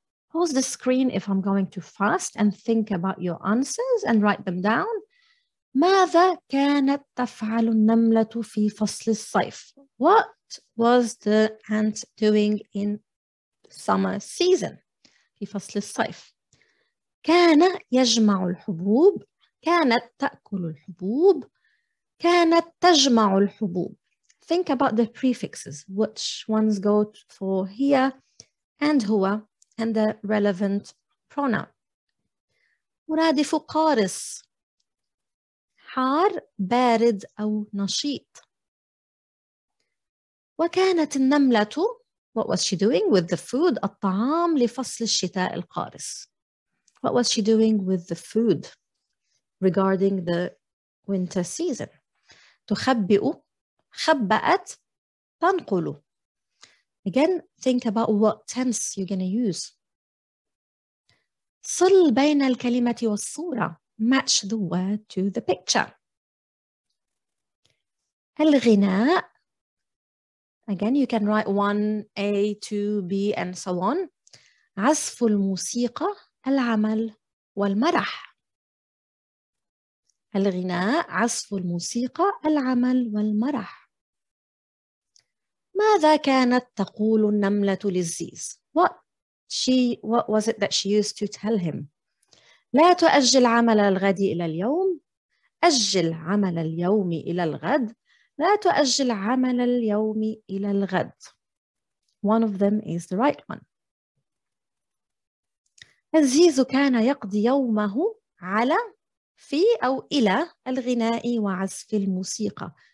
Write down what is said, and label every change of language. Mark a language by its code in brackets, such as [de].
[en] Pause the screen if I'm going too fast and think about your answers and write them down. [ar] ماذا كانت تفعل النملة في فصل الصيف? [en] What was the ant doing in summer season, [ar] في فصل الصيف. كان يجمع الحبوب, كانت تأكل الحبوب, كانت تجمع الحبوب. [en] Think about the prefixes, which ones go for here and هو and the relevant pronoun. [ar] مرادف قارس, حار, بارد أو نشيط. وكانت النملة, [en] what was she doing with the food? [ar] الطعام لفصل الشتاء القارس. [en] What was she doing with the food regarding the winter season? [ar] تخبئ, خبأت, تنقل. [en] Again, think about what tense you're going to use. [ar] صل بين الكلمة والصورة. [en] Match the word to the picture. [ar] الغناء. [en] Again, you can write one, A, two, B, and so on. [ar] عزف الموسيقى, العمل, والمرح. الغناء, عزف الموسيقى, العمل, والمرح. ماذا كانت تقول النملة للزيز? [en] What was it that she used to tell him? [ar] لا تؤجل عمل الغد إلى اليوم. أجل عمل اليوم إلى الغد. لا تؤجل عمل اليوم إلى الغد. [en] One of them is the right one. [ar] الزيز كان يقضي يومه على, في أو إلى الغناء وعزف الموسيقى.